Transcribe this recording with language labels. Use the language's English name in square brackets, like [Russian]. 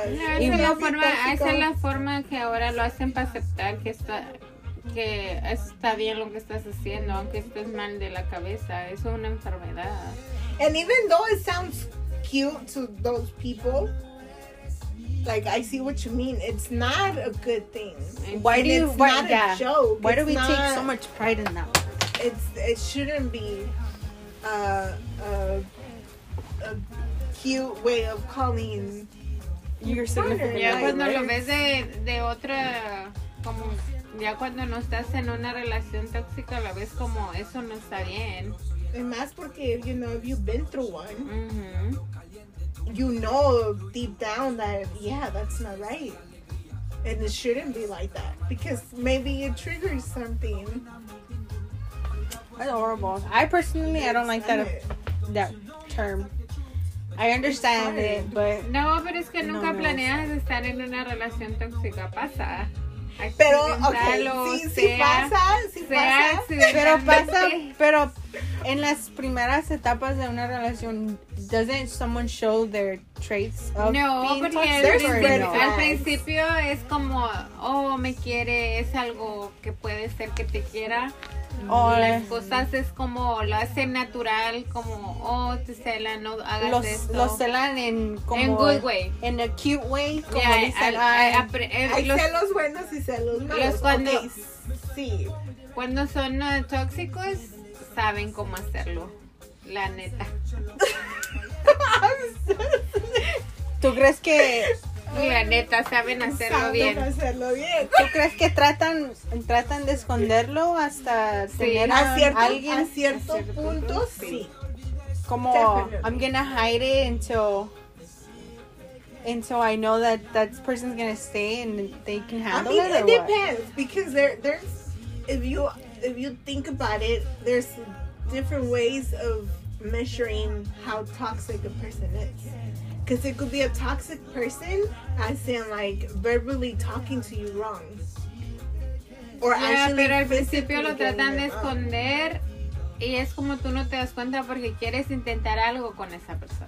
[Spanish] Esa es la forma que ahora lo hacen para aceptar que está bien lo que estás haciendo, aunque estés mal de la cabeza. Es una enfermedad. [English] And even though it sounds cute to those people, like, I see what you mean. It's not a good thing. Why do we take so much pride in that? It shouldn't be a cute way of calling your significant other. Yeah, [Spanish] cuando lo ves de otra, como ya cuando no estás en una relación tóxica, la ves como eso no está bien. Y más porque, [English] you know, if you've been through one, you know deep down that, yeah, that's not right. And it shouldn't be like that. Because maybe it triggers something. That's horrible. I personally, I don't like that, that term. I understand it, but... [Spanish] No, pero es que nunca planeas estar en una relación tóxica. Pasa. Pero, ok, sí pasa. Pero pasa, pero en las primeras etapas de una relación, [English] doesn't someone show their traits of being toxic? [Spanish] No, porque al principio es como, oh, me quiere, es algo que puede ser que te quiera. Las cosas es como, lo hacen natural, como, oh, te celan, no hagas esto. Los celan en como... En [English] good way. [Spanish] En [English] a cute way, [Spanish] como [English] yeah, [Spanish] dicen. Hay celos buenos y celos malos. Cuando, sí. Cuando son tóxicos, saben cómo hacerlo. La neta. ¿Tú crees que...? La neta, saben hacerlo bien. ¿Tú crees que tratan de esconderlo hasta tener a alguien? A cierto punto, sí. Como, [English] I'm gonna hide it until I know that person's gonna stay and they can handle it, or what? It depends, because there's, if you think about it, there's different ways of measuring how toxic a person is. Because it could be a toxic person as in, like, verbally talking to you wrong. Or yeah, actually [Spanish] pero al principio lo tratan de esconder. Y es como tú no te das cuenta porque quieres intentar algo con esa persona.